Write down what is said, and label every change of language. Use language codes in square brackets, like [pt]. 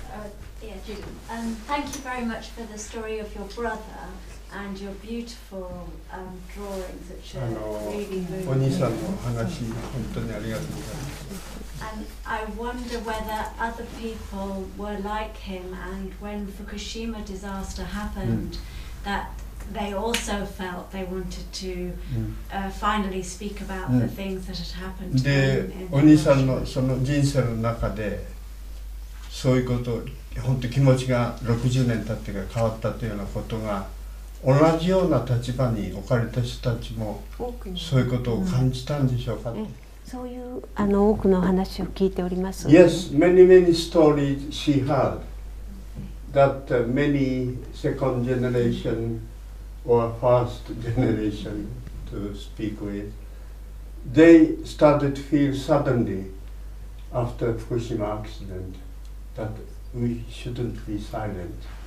[en] Thank you very much for the story of your brother. And your beautiful drawings that show really moving. [ja] お兄さんの話、本当にありがとうございます。 [en] And I wonder whether other people were like him, and when Fukushima disaster happened, that they also felt they wanted to finally speak about the things that had happened to him. [ja] お兄さんのその人生の中で、そういうこと、本当気持ちが60年経ってから変わったというようなことが。同じような立場に置かれた人たちもそういうことを感じたんでしょうか、ねうん、そういうあの多くの話を聞いております、 [en] ね、Yes, many many stories she heard that many second generation or first generation to speak with they started to feel suddenly after Fukushima accident that we shouldn't be silent、